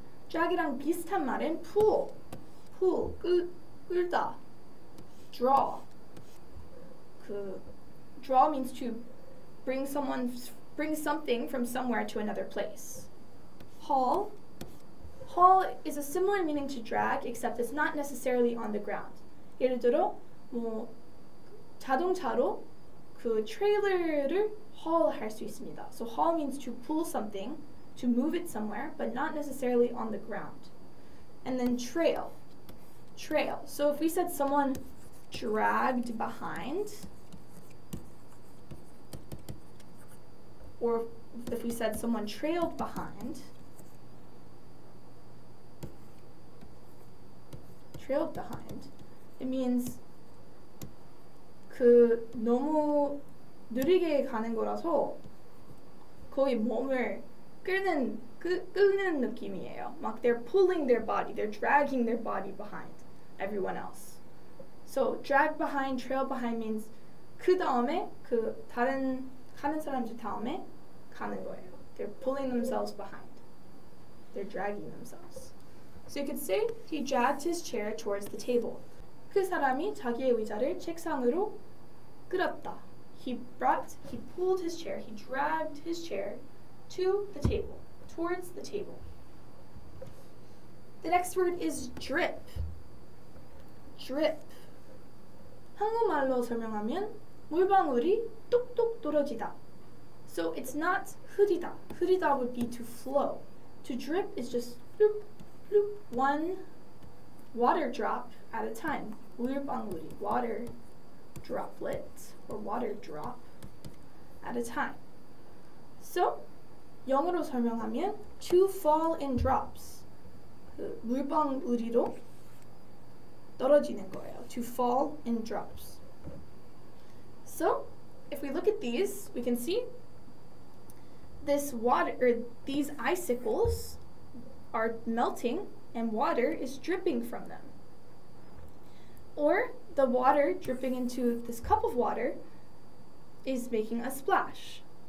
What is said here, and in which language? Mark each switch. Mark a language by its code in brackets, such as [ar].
[ko] 드래그랑 비슷한 말은 pull. Pull, 끌다. Draw. [en] Draw means to bring someone, bring something from somewhere to another place. Haul. Haul is a similar meaning to drag, except it's not necessarily on the ground. [ko] 예를 들어, 뭐, 자동차로 그 트레일러를 haul 할 수 있습니다. [en] So haul means to pull something, to move it somewhere, but not necessarily on the ground. And then trail. Trail. So if we said someone dragged behind, or if we said someone trailed behind, trailed behind, it means [ko] 그 너무 느리게 가는 거라서 거의 몸을 끄는 느낌이에요. [en] Like they're pulling their body, they're dragging their body behind everyone else. So drag behind, trail behind means [ko] 그 다음에 그 다른 가는 사람들 다음에 가는 거예요. [en] They're pulling themselves behind. They're dragging themselves. So you could say he dragged his chair towards the table. [ko] 그 사람이 자기의 의자를 책상으로 끌었다. [en] He pulled his chair. He dragged his chair to the table, towards the table. The next word is drip. Drip. [ko] 한국말로 설명하면 물방울이 뚝뚝 떨어지다. [en] So it's not 흐리다. 흐리다 would be to flow. To drip is just bloop, bloop, one water drop at a time. 물방울이, water droplet or water drop at a time. So [ko] 영어로 설명하면 [en] to fall in drops. [ko] 물방울이로 떨어지는 거예요. [en] To fall in drops. So if we look at these, we can see this water, or these icicles are melting and water is dripping from them. Or the water dripping into this cup of water is making a splash.